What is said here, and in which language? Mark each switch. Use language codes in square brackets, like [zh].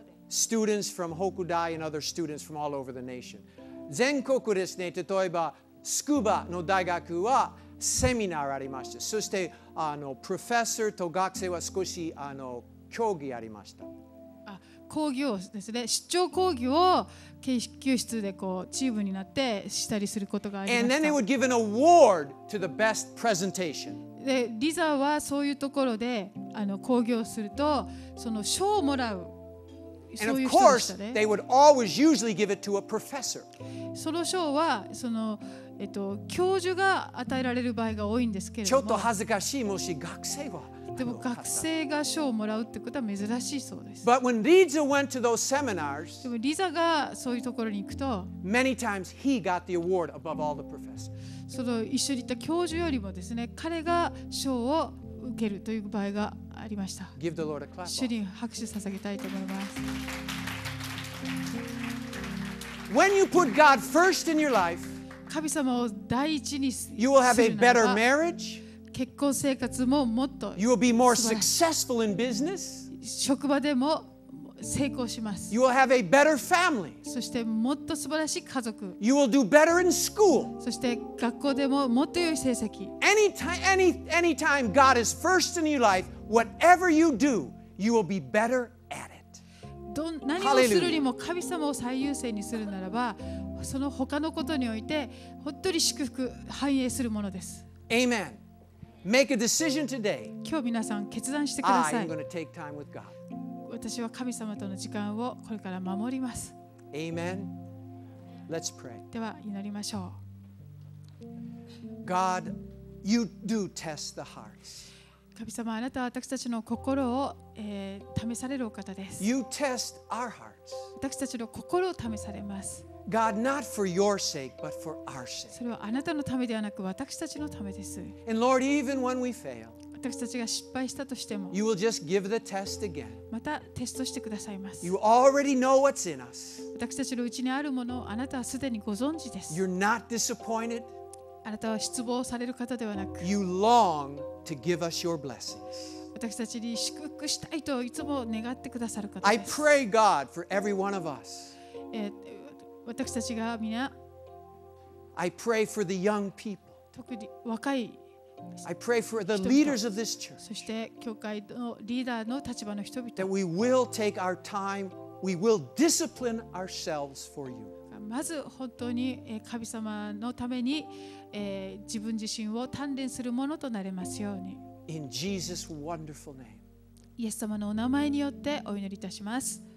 [en] Students from Hokudai and other students from all over the nation. [ja] 全国ですね、例えば、筑波の大学はセミナーありました。そして、あの、プロフェッサーと学生は少し、あの、協議ありました。あ、講義をですね、出張講義を研究室でこうチームになってしたりすることがありました。 [en] And then they would give an award to the best presentation. [ja] でリザはそういうところで、あの、講義をすると、その賞をもらう。 [en] And of course, they would always usually give it to a professor. [ja] その賞はその教授が与えられる場合が多いんですけれども。ちょっと恥ずかしい、もし学生は。でも学生が賞をもらうってことは珍しいそうです。 [en] But when Liza went to those seminars, [ja] でもリザがそういうところに行くと、 [en] many times he got the award above all the professors. [ja] その一緒に行った教授よりもですね、彼が賞を受けるという場合が。ありました。 [en] Give the Lord a clap. [ja] 主に拍手捧げたいと思います。 [en] When you put God first in your life, [ja] 神様を第一にするならば、 [en] you will have a better marriage. [ja] 結婚生活ももっと素晴らしい。 [en] You will be more successful in business. [ja] 職場でも成功します。 [en] You will have a better family. [ja] そしてもっと素晴らしい家族。 [en] You will do better in school. [ja] そして学校でももっと良い成績。 [en] Anytime God is first in your life. Whatever you do, you will be better at it. [ja] 何をするにも神様を最優先にするならば、その他のことにおいて、本当に祝福、繁栄するものです。 [en] Amen. Make a decision today. [ja] 今日皆さん決断してください。 [en] I am going to take time with God. [ja] 私は神様との時間をこれから守ります。 [en] Amen. Let's pray. [ja] では祈りましょう。 [en] God, you do test the hearts. [ja] 神様、あなたは私たちの心を、試されるお方です。 [en] You test our hearts. [ja] 私たちの心を試されます。 [en] God, not for your sake, but for our sake. [ja] それはあなたのためではなく私たちのためです。 [en] And Lord, even when we fail, [ja] 私たちが失敗したとしても、 [en] You will just give the test again. [ja] またテストしてくださいます。 [en] You already know what's in us. [ja] 私たちのうちにあるものをあなたはすでにご存知です。 [en] You're not disappointed. [ja] あなたは失望される方ではなく、 [en] You long to give us your blessings. [ja] 私たちに祝福したいといつも願ってくださる方です。 [en] I pray, God, for every one of us. [ja] 私たちが皆、 [en] I pray for the young people. [ja] 特に若い、 [en] I pray for the leaders of this church. [ja] そして教会のリーダーの立場の人々。 [en] That we will take our time, we will discipline ourselves for you. [ja] まず本当に神様のために自分自身を鍛錬するものとなれますように。 [en] In Jesus' wonderful name. [ja] イエス様のお名前によってお祈りいたします。